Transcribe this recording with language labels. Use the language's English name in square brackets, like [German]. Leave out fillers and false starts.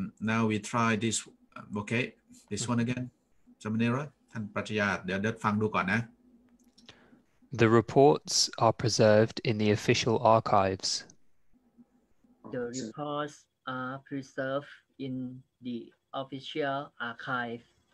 [English] Now we try this, okay, this one again. Samanera, [Thai] ท่านปรัชญาเดี๋ยวเดี๋ยวฟังดูก่อนนะ [English] The reports are preserved in the official archives. The reports are preserved in the official archive.